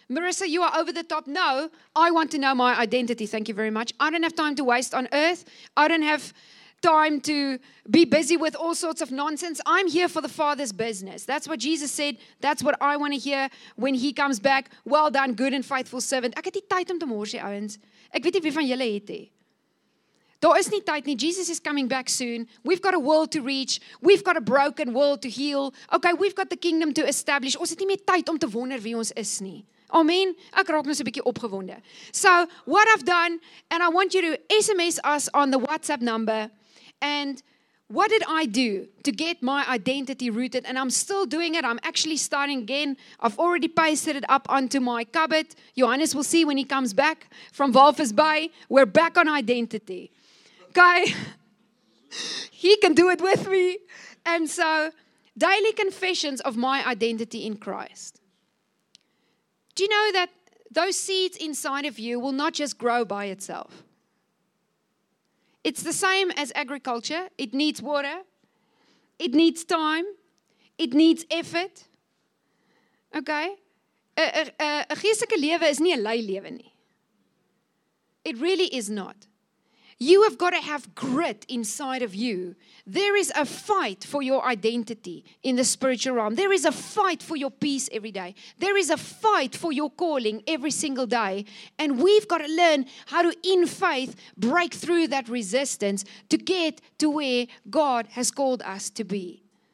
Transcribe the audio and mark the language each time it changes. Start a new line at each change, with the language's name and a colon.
English: Marissa, you are over the top. No, I want to know my identity. Thank you very much. I don't have time to waste on earth. I don't have time to be busy with all sorts of nonsense. I'm here for the Father's business. That's what Jesus said. That's what I want to hear when He comes back. Well done, good and faithful servant.
Afrikaans: Ek het nie tyd om te mors nie, ouens. Ek weet nie wie van julle het nie. Daar is nie tyd nie.
English: Jesus is coming back soon. We've got a world to reach. We've got a broken world to heal. Okay, we've got the kingdom to establish.
Afrikaans: Ons het nie meer tyd om te wonder wie ons is nie. Amen. Ek raak nou so 'n bietjie opgewonde.
English: So, what I've done, and I want you to SMS us on the WhatsApp number. And what did I do to get my identity rooted? And I'm still doing it. I'm actually starting again. I've already pasted it up onto my cupboard. Johannes will see when he comes back from Walvis Bay. We're back on identity. Okay? He can do it with me. And so, daily confessions of my identity in Christ. Do you know that those seeds inside of you will not just grow by itself? It's the same as agriculture. It needs water. It needs time. It needs effort. Okay?
Afrikaans: A geestelike lewe is nie 'n lui lewe nie.
English: It really is not. You have got to have grit inside of you. There is a fight for your identity in the spiritual realm. There is a fight for your peace every day. There is a fight for your calling every single day. And we've got to learn how to, in faith, break through that resistance to get to where God has called us to be.